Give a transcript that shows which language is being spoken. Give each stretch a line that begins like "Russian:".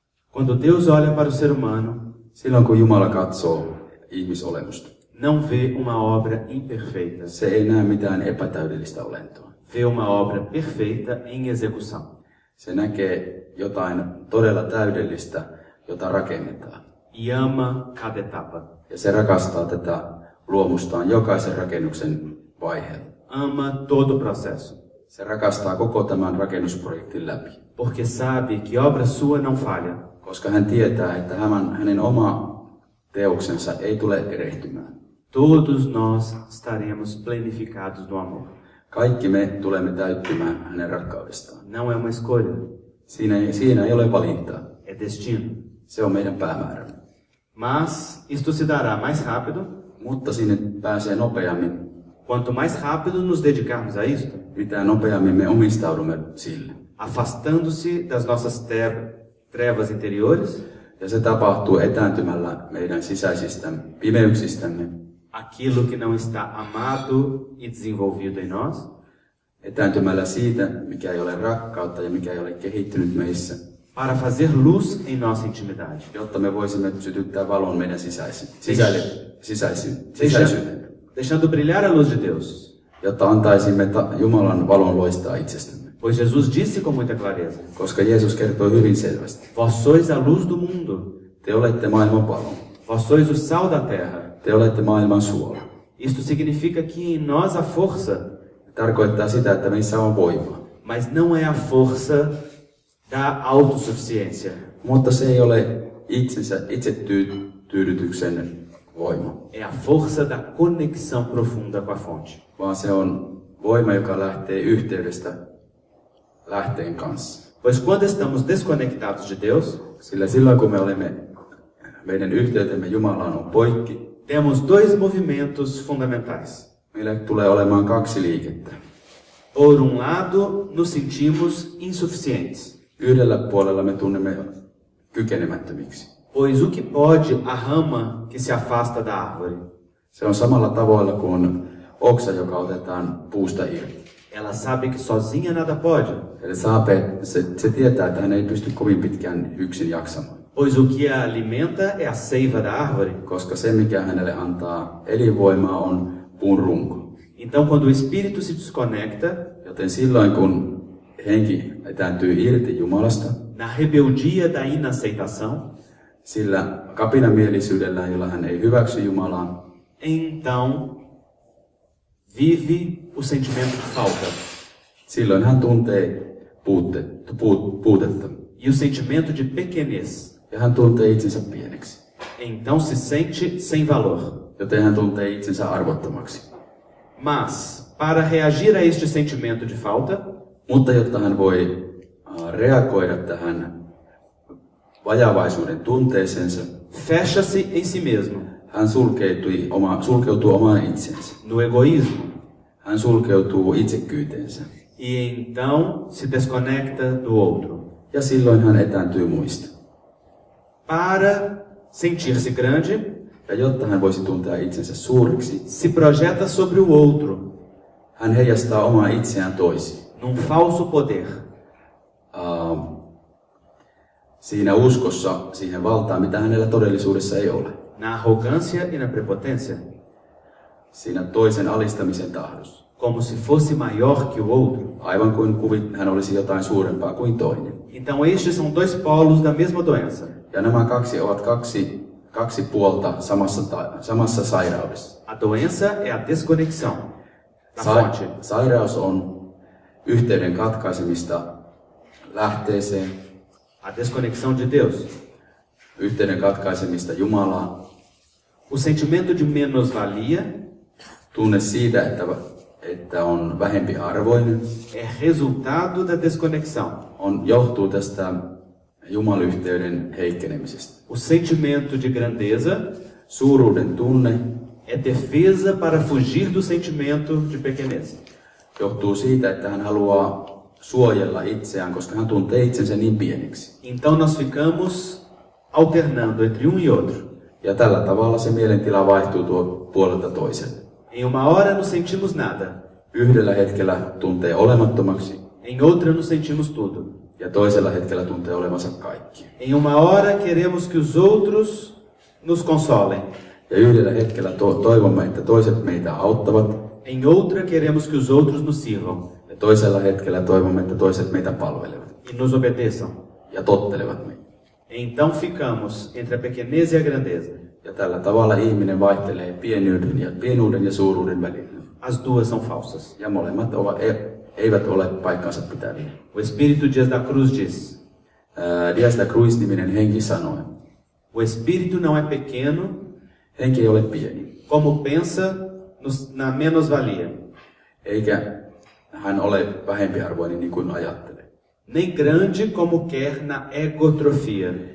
Portuguese: Quando Deus olha para o ser humano,
Finnish: silloin kun Jumala katsoo ihmisolemusta,
Portuguese: não vê uma obra imperfeita.
Finnish: Se ei näe mitään epätäydellistä olentoa.
Portuguese: Vê uma obra perfeita em execução.
Finnish: Se näkee jotain todella täydellistä, jota rakennetaan.
Portuguese: E ama cada etapa.
Finnish: Ja se rakastaa tätä luomustaan jokaisen rakennuksen vaiheella.
Portuguese: Ama todo processo.
Finnish: Se rakastaa koko tämän rakennusprojektin läpi.
Portuguese: Porque sabe que obra sua não falha.
Finnish: Koska hän tietää, että hänen oma teoksensa ei tule erehtymään.
Portuguese: Todos nós estaremos plenificados do amor.
Finnish: Kaikki me tulemme täyttymään hänen rakkaudestaan.
Portuguese: Não é uma escolha.
Finnish: Siinä ei ole valintaa.
Portuguese: É destino.
Finnish: Se on meidän päämäärä.
Portuguese: Mas isto se dará mais rápido.
Finnish: Mutta sinne pääsee nopeammin.
Portuguese: Quanto mais rápido nos dedicarmos a isto,
Finnish: mitä nopeammin me omistaudumme sille.
Portuguese: Afastando-se das nossas trevas interiores.
Finnish: Ja se tapahtuu etääntymällä meidän sisäisistä pimeyksistämme.
Portuguese: Aquilo que não está amado e desenvolvido em nós.
Finnish: Etääntymällä siitä, mikä ei ole rakkautta ja mikä ei ole kehittynyt meissä.
Portuguese: Para fazer luz em nossa intimidade.
Finnish: Jotta me voisimme sytyttää valon meidän sisäisyyteen.
Portuguese: Deixando brilhar a luz de Deus.
Finnish: Jotta antaisimme Jumalan valon loistaa itsestämme.
Portuguese: Pois Jesus disse com muita clareza.
Finnish: Koska Jeesus kertoi hyvin selvästi.
Portuguese: Vós sois a luz do mundo.
Finnish: Te olette maailman valo.
Portuguese: Vós sois o sal da terra.
Finnish: Te olette maailman suola.
Portuguese: Isto significa que em nós há força.
Finnish: Tarkoittaa sitä, että meissä on voima.
Portuguese: Mas não é a força da autossuficiência.
Finnish: Mutta se ei ole itsetyydytyksen voima.
Portuguese: É a força da conexão profunda com a fonte.
Finnish: Vaan se on voima, joka lähtee yhteydestä lähteen kanssa.
Portuguese: Pois quando estamos desconectados de Deus,
Finnish: sillä silloin kun me olemme, meidän yhteytemme Jumalaan on poikki,
Portuguese: temos dois movimentos fundamentais.
Finnish: Meillä tulee olemaan kaksi liikettä.
Portuguese: Por um lado, nos sentimos insuficientes.
Finnish: Yhdellä puolella me tunnemme kykenemättömiksi.
Portuguese: Pois o que pode a rama que se afasta da árvore?
Finnish: Se on samalla tavalla kuin oksa, joka otetaan puusta irti.
Portuguese: Ela sabe que sozinha nada pode.
Finnish: Se tietää, että hän ei pysty kovin pitkään yksin jaksamaan.
Portuguese: Pois o que a alimenta é a seiva da árvore.
Finnish: Koska se, mikä hänelle antaa elinvoimaa, on puun runko.
Portuguese: Então, quando o espírito se desconecta,
Finnish: joten silloin, kun henki etääntyy irti Jumalasta,
Portuguese: na rebeldia da inaceitação,
Finnish: sillä kapinamielisyydellä, jolla hän ei hyväksy Jumalaa,
Portuguese: então vive o sentimento de falta.
Finnish: Silloin hän tuntee puutetta.
Portuguese: E o sentimento de pequenez.
Finnish: Ja hän tuntee itsensä pieneksi.
Portuguese: Então se sente sem valor.
Finnish: Joten hän tuntee itsensä arvottomaksi.
Portuguese: Mas, para reagir a este sentimento de falta,
Finnish: mutta jotta hän voi reagoida tähän vajavaisuuden tunteeseensa,
Portuguese: fecha-se em si mesmo.
Finnish: Hän sulkeutuu omaan itsensä.
Portuguese: No egoísmo.
Finnish: Hän sulkeutuu itsekyyteensä.
Portuguese: E então se desconecta do outro.
Finnish: Ja silloin hän etääntyy muista.
Portuguese: Para sentir-se grande,
Finnish: ja jotta hän voisi tuntea itsensä suureksi,
Portuguese: se projeta sobre o outro.
Finnish: Hän heijastaa omaa itseään toisiin.
Portuguese: Num falso poder.
Finnish: siinä uskossa siihen valtaan, mitä hänellä todellisuudessa ei ole.
Portuguese: Na arrogância e na prepotência.
Finnish: Siinä toisen alistamisen tahdossa.
Portuguese: Como se fosse maior que o outro.
Finnish: Aivan kuin hän olisi jotain suurempaa kuin toinen.
Portuguese: Então estes são dois polos da mesma doença.
Finnish: Ja nämä kaksi ovat kaksi puolta samassa sairaudessa.
Portuguese: A doença é a desconexão.
Finnish: Sairaus on yhteyden katkaisemista lähteeseen.
Portuguese: A desconexão de Deus.
Finnish: Yhteyden katkaisemista Jumalaan.
Portuguese: O sentimento de menosvalia.
Finnish: Tunne siitä, että on vähempi arvoinen.
Portuguese: É resultado da desconexão.
Finnish: On johtuu tästä Jumalyhteyden heikkenemisestä.
Portuguese: O sentimento de grandeza.
Finnish: Suuruuden tunne.
Portuguese: É defesa para fugir do sentimento de pequenez.
Finnish: Johtuu siitä, että hän haluaa suojella itseään, koska hän tuntee itsensä niin pieneksi.
Portuguese: Então nós ficamos alternando entre um e outro.
Finnish: Ja tällä tavalla se mielentila vaihtuu tuo puolelta toiselle.
Portuguese: Em uma hora não sentimos nada.
Finnish: Yhdellä hetkellä tuntee olemattomaksi.
Portuguese: Em outra não sentimos tudo.
Finnish: Ja toisella hetkellä tuntee olevansa kaikki.
Portuguese: Em uma hora queremos que os outros nos consolem.
Finnish: Ja yhdellä hetkellä toivomme, että toiset meitä auttavat.
Portuguese: Em outra queremos que os outros nos sirvam.
Finnish: Ja toisella hetkellä toivomme, että toiset meitä palvelevat.
Portuguese: E nos obedeçam.
Finnish: Ja tottelevat meitä.
Portuguese: Então ficamos entre a pequenez e a grandeza.
Finnish: Ja tällä tavalla ihminen vaihtelee pienuuden ja suuruuden välillä.
Portuguese: As duas são falsas.
Finnish: Ja molemmat eivät ole paikkansa pitäviä.
Portuguese: O Espírito Dias da Cruz diz.
Finnish: Dias da Cruz -niminen henki sanoi.
Portuguese: O Espírito não é pequeno.
Finnish: Henki ei ole pieni.
Portuguese: Como pensa na menosvalia.
Finnish: Eikä hän ole vähempiarvoinen niin kuin ajattelee.
Portuguese: Nem grande como quer na egotrofia.